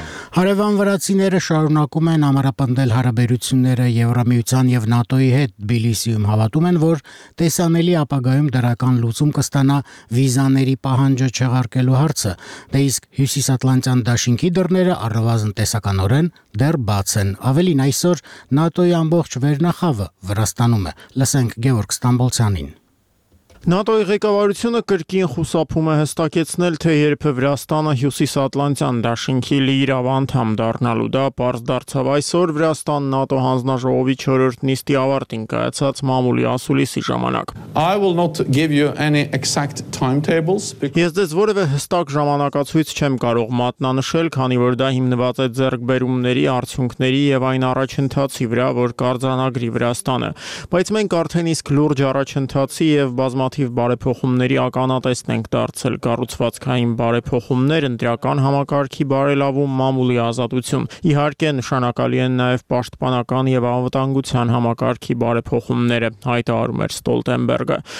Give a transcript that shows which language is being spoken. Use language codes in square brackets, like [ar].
[hy] Հարևան վրացիները շարունակում են ամրապնդել հարաբերությունները Եվրամիության և ՆԱՏՕ-ի հետ։ Թբիլիսիում հավատում են, որ տեսանելի ապագայում դրական լուծում կստանա վիզաների պահանջը չեղարկելու հարցը, դե իսկ Հյուսիսատլանտյան դաշինքի դռները առավազն տեսականորեն դեռ բաց են։ Ավելին, այսօր ՆԱՏՕ-ի ամբողջ վերնախավը Վրաստանում է։ Լսենք Գևորգ Ստամբոլցյանին։ ՆԱՏՕ-ի ղեկավարությունը կրկին խուսափում է հստակեցնել, թե երբը Վրաստանը Հյուսիսատլանտյան դաշինքի լիիրավանդամ դառնալու, դա պարզ դարձավ այսօր Վրաստան ՆԱՏՕ հանձնաժողովի 4-րդ նիստի ավարտին կայացած մամուլի ասուլիսի ժամանակ։ [en] I will not give you any exact timetables because [hy] ես դες որևէ հստակ ժամանակացույց չեմ կարող մատնանշել, քանի որ դա հիմնված է ձեռքբերումների արդյունքների եւ այն առաջընթացի վրա, որ կարձանագրի Վրաստանը, բայց մենք արդեն իսկ լուրջ առաջընթացի եւ բազմաթիվ բարեփոխումների ականատեսն ենք դարձել, կառուցվածքային բարեփոխումներ, ընդդրական համակարգի բարելավում, մամուլի ազատություն։ Իհարկե, նշանակալի են նաև պաշտպանական և անվտանգության համակարգի բարեփոխումները, հայտարարում էր Ստոլտենբերգը։